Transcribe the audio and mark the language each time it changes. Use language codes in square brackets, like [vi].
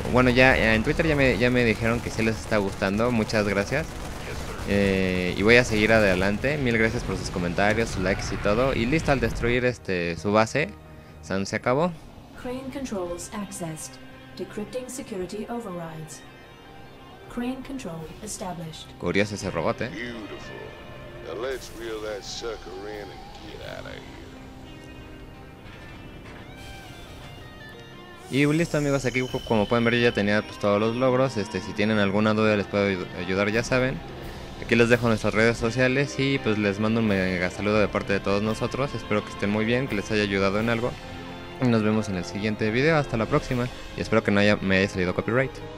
[es] Bueno, ya en Twitter ya me dijeron que sí les está gustando. Muchas gracias. Y voy a seguir adelante. Mil gracias por sus comentarios, sus likes y todo. Y listo, al destruir su base, San se acabó. [en] Crane controls accessed. Decrypting security overrides. Crane control established. [es] Curioso ese robot, ¿eh? [en] Beautiful. Now let's reel that sucker in and get out of here. [es] Y listo, amigos, aquí como pueden ver yo ya tenía pues todos los logros. Si tienen alguna duda les puedo ayudar, ya saben. Aquí les dejo nuestras redes sociales y pues les mando un mega saludo de parte de todos nosotros. Espero que estén muy bien, que les haya ayudado en algo. Nos vemos en el siguiente video. Hasta la próxima. Y espero que no me haya salido copyright.